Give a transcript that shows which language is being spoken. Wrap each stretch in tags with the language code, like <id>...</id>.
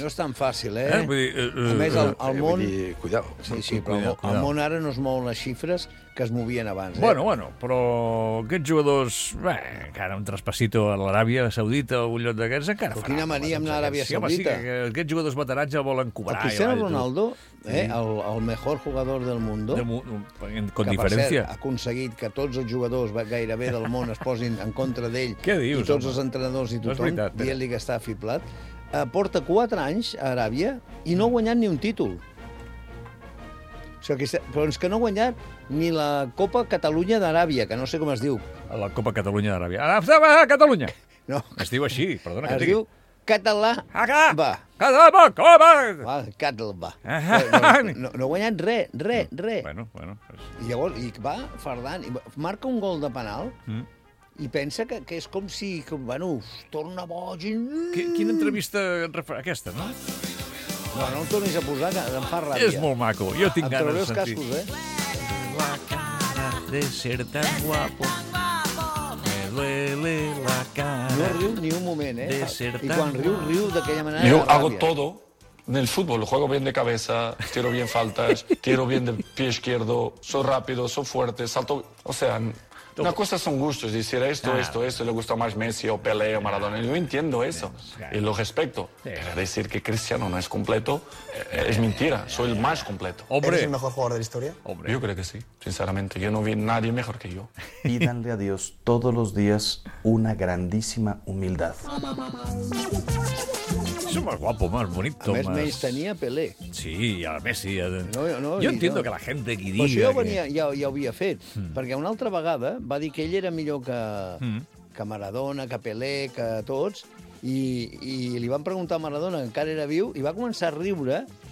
<ca>No és tan fàcil, eh? Vull dir, a més, el món... Vull dir, cuidado. Sí, sí, però cuidado. El món ara no es mouen les xifres que es movien abans, bueno, eh? Bueno, però aquests jugadors... Bé, encara un traspassito a l'Aràbia Saudita o un lloc d'aquests encara farà... Quina mania amb l'Aràbia Saudita. Sí, home, sí, aquests jugadors veterans ja volen cobrar.</ca> <es>El Cristiano Ronaldo, el mejor jugador del mundo... Con diferència.</es> <ca>Que, per cert, ha aconseguit que tots els jugadors gairebé del món es posin en contra d'ell... Què dius, i tots, home? Els entrenadors i tothom, no, dient-li que està fiblat. Porta 4 anys a Aràbia i no ha guanyat ni un títol. Però és que no ha guanyat ni la Copa Catalunya d'Aràbia, que no sé com es diu. La Copa Catalunya d'Aràbia. Catalunya! No. Es diu així, perdona. Es diu Català. Català, com va? Català. No ha guanyat res, res, res. Bueno. I llavors, i va fardant, i marca un gol de penal i pensa que és com si, que, bueno, torna boig i... Quina entrevista aquesta, no? No el tornis a posar, que em fa ràbia. És molt maco, jo tinc ganes de sentir. Em trobo els cascos, eh? La cara de ser tan guapo. Me duele la cara. No riu ni un moment, eh? I quan riu, riu d'aquella manera.</ca> <es>Yo hago todo en el fútbol. Juego bien de cabeza, tiro bien faltas, tiro bien del pie izquierdo, soy rápido, soy fuerte, salto... O sea, una cosa son gustos, decir esto, le gusta más Messi o Pelé o Maradona. Yo entiendo eso y lo respecto. Pero decir que Cristiano no es completo es mentira, soy el más completo. ¿Eres el mejor jugador de la historia? Hombre. Yo creo que sí, sinceramente. Yo no vi nadie mejor que yo. Pídanle a Dios todos los días una grandísima humildad.</es> <ca>És un més guapo, més bonito. A més, menys tenia Pelé. Sí, i a més, sí. No,</ca> <es>entiendo</es> <ca>no. Que la gent de qui digui... Però això ja ho havia fet. Perquè una altra vegada va dir que ell era millor que Maradona, que Pelé, que tots. I li van preguntar a Maradona, que encara era viu, i va començar a riure.</ca>